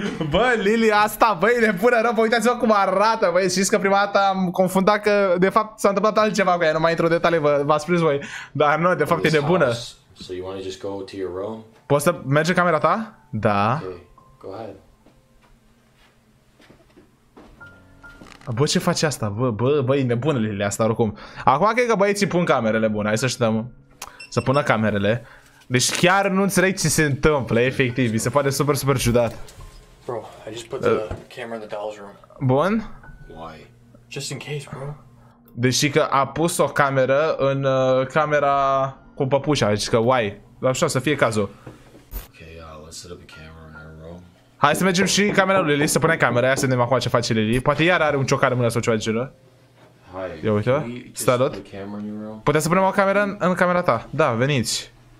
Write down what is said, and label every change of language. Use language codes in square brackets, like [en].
[ro] Bă, Lily asta, băi, ne pune rău. Bă, uitați-vă cum arată, băi. Știți că prima dată am confundat că de fapt s-a întâmplat altceva cu ea. Nu mai intru detalii, v-a spus voi. Dar nu, de fapt e nebună. [en] So you want to just go to your room? [ro] Poți să mergi în camera ta? Da. [en] Okay. Go ahead. [ro] Bă, ce faci asta? Bă, e nebunele asta oricum. Acum cred că băieții pun camerele bune, hai să știm. Să pună camerele. Deci chiar nu înțeleg ce se întâmplă, efectiv. Mi se pare super, super ciudat. [en] Bro, I just put the camera in the doll's room. [ro] Bun? [en] Why? Just in case, bro. [ro] Deci că a pus o cameră în camera cu păpușa, zici că why? Așa, să fie cazul. [en] Okay, let's set up a camera in our room. [ro] Hai să mergem și camera lui Lily, să punem camera, ia să vedem acum ce face Lily. Poate iar are un ciocar în mână sau ceva de genul. [en] Hi, [ro] ia uite, salut. Puteți să punem o cameră în camera ta? Da, veniți.